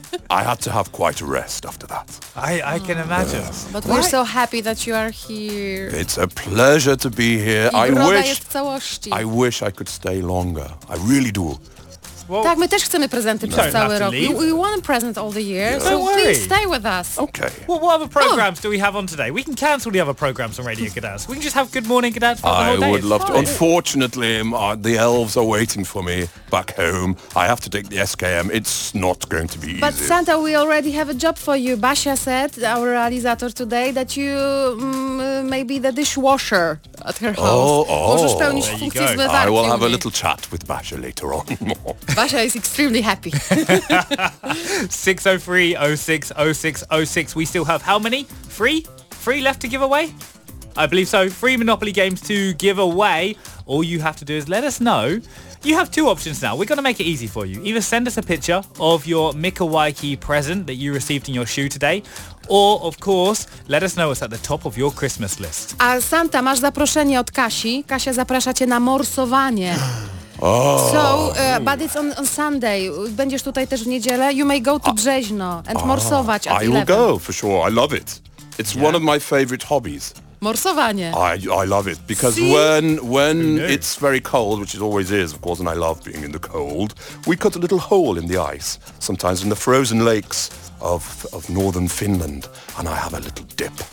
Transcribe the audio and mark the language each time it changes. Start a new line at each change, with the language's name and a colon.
English: I had to have quite a rest after that. I can imagine. Yes. But why? We're so happy that you are here. It's a pleasure to be here. I wish I could stay longer. I really do.
Polish: Well, tak, my też chcemy prezenty przez cały rok.
English: We want a present all the year, yeah. Don't so worry. Please stay with us. Okay. Well, what other programs do we have on today? We can cancel the other programs on Radio Gdansk. We can just have Good Morning Gdansk for the whole day. I would love to. Unfortunately, the elves are waiting for me back home. I have to take the SKM. It's not going to be easy. But Santa, we already have a job for you. Basia said, our realizator today, that you may be the dishwasher at her house. Oh, oh. I will have a little chat with Basia later on. Basia is extremely happy. 603-06-06-06. We still have how many? Three left to give away? I believe so. Three Monopoly games to give away. All you have to do is let us know. You have two options now. We're going to make it easy for you. Either send us a picture of your Mikawaiki present that you received in your shoe today, or, of course, let us know what's at the top of your Christmas list.
Polish: A Santa, masz zaproszenie od Kasi. Kasia zaprasza cię na morsowanie.
English: Oh. So, but it's on Sunday.
Polish: Będziesz tutaj też w niedzielę.
English: You may go to Brzeźno and morsować at 11. I will go, for sure. I love it. It's one of my favorite hobbies.
Polish: Morsowanie.
English: I love it. Because when it's very cold, which it always is, of course, and I love being in the cold, we cut a little hole in the ice, sometimes in the frozen lakes of northern Finland, and I have a little dip.